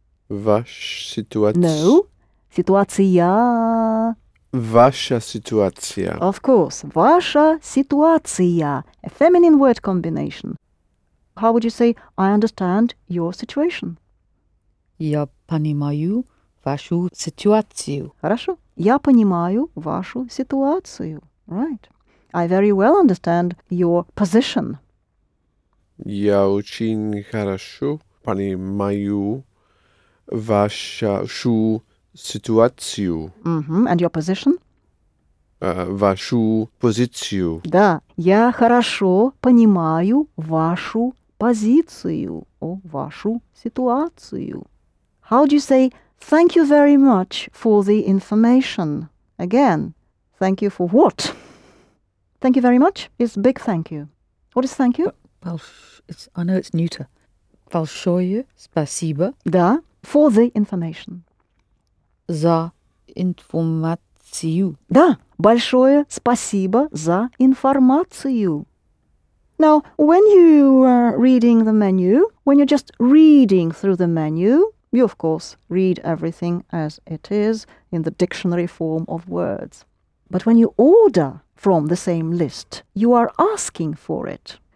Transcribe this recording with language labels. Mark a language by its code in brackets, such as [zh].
[ru] Ваш ситуация. [en] No. Ситуация. [ru] Ваша ситуация. [en] Of course. [ru] Ваша ситуация. [en] A feminine word combination. How would you say, I understand your situation? [ru] Я понимаю вашу ситуацию. Хорошо. Я понимаю вашу ситуацию. [en] Right. I very well understand your position. [ru] Я очень хорошо понимаю вашу ситуацию. [en] Mm-hmm. And your position? [ru] Вашу позицию. Да. Я хорошо понимаю вашу позицию. О, вашу ситуацию. [en] How do you say thank you very much for the information? Again, thank you for what? Thank you very much is big thank you. What is thank you? It's neuter. [ru] Большое спасибо. [en] Да. For the information. [ru] За информацию. Да, большое спасибо за информацию. [en] Now, when you are reading the menu, when you're just reading through the menu, you, of course, read everything as it is in the dictionary form of words. But when you order from the same list, you are asking for it.